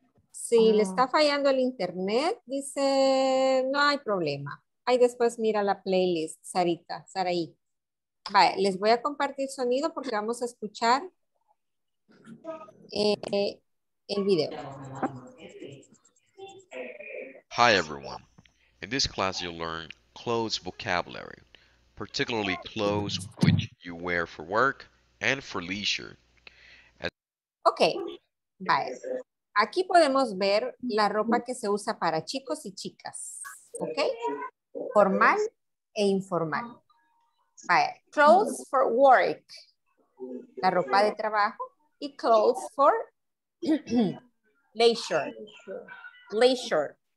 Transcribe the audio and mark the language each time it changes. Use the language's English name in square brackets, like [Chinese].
[Spanish] Si le está fallando el internet, dice, no hay problema. Ahí después mira la playlist, Sarita, Saraí. Vale, les voy a compartir sonido porque vamos a escuchar el video. [English] Hi everyone. In this class you'll learn clothes vocabulary, particularly clothes which you wear for work and for leisure. Okay. Vale. [Spanish] Aquí podemos ver la ropa que se usa para chicos y chicas. ¿Ok? Formal e informal. Vaya. [English] Clothes for work. [Spanish] La ropa de trabajo. Y [English] clothes for leisure. Leisure.